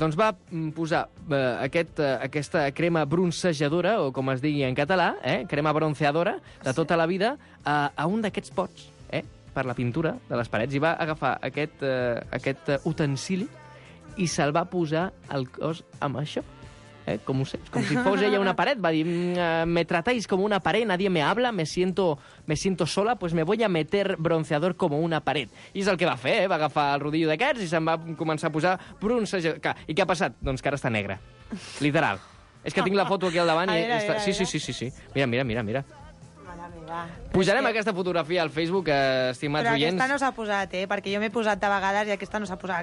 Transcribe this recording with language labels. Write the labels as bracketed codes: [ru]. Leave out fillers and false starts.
[ca] Doncs va posar aquesta crema broncejadora, o com es digui en català, crema bronceadora, de tota la vida, a un d'aquests pots, per la pintura de les parets. I va agafar aquest utensili i se'l va posar al cos amb això. Com ho sé? Com si fos ella una paret. Va dir, [es] me tratáis como una pared, nadie me habla, me siento sola, pues me voy a meter bronceador como una paret. [ca] I és el que va fer, va agafar el rodillo d'aquests i se'n va començar a posar bronceador. I què ha passat? Doncs que ara està negra. Literal. És que tinc la foto aquí al davant. Mira, i està... mira, sí, mira. Sí, sí, sí, sí. Mira, mira, mira, mira. Pujarem aquesta fotografia al Facebook, estimats oients. Però aquesta oients. No s'ha posat, perquè jo m'he posat de vegades i aquesta no s'ha posat.